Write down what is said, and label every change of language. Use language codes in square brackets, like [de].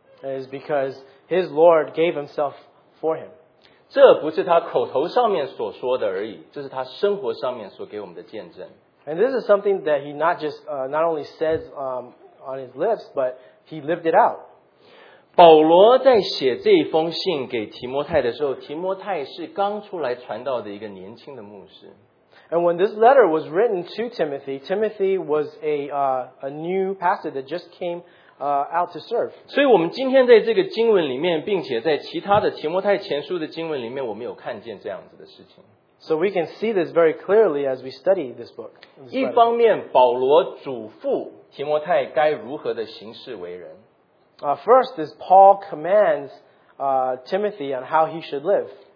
[en] is because his Lord gave himself for him. [zh] 这不是他口头上面所说的而已，这是他生活上面所给我们的见证。 [en] And this is something that he not just not only says on his lips, but he lived it out. [zh] 保罗在写这封信给提摩太的时候，提摩太是刚出来传道的一个年轻的牧师。 [en] And when this letter was written to Timothy, Timothy was a new pastor that just came out to serve. [zh] 所以我们今天在这个经文里面，并且在其他的提摩太前书的经文里面，我们有看见这样子的事情。 [en] So we can see this very clearly as we study this book. [zh] 一方面，保罗嘱咐提摩太该如何的行事为人。 [en] First, is Paul commands Timothy on how he should live.